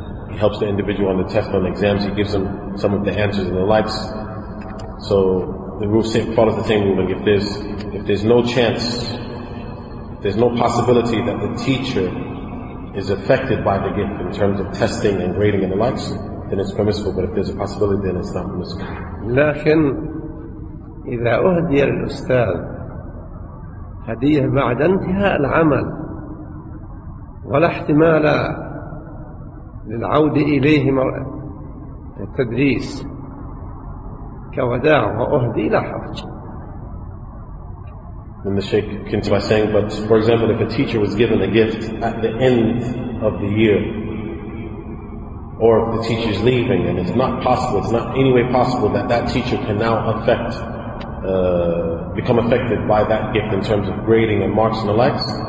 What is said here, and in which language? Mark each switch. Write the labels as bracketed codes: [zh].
[en] He helps the individual on the test, on the exams. He gives them some of the answers and the likes. So the rule follows the same rule. If there's no chance, if there's no possibility that the teacher is affected by the gift in terms of testing and grading and the likes, then it's permissible. But if there's a possibility, then it's not permissible. [ar] لكن إذا أهدي الأستاذ هدية بعد انتهاء العمل ولا احتمال للعودة إليه للتدريس كوداع وأهدي لا حرج. [en] Then the Sheikh continued by saying, but for example, if a teacher was given a gift at the end of the year, or if the teacher is leaving and it's not possible, it's not any way possible that that teacher can now become affected by that gift in terms of grading and marks and the likes.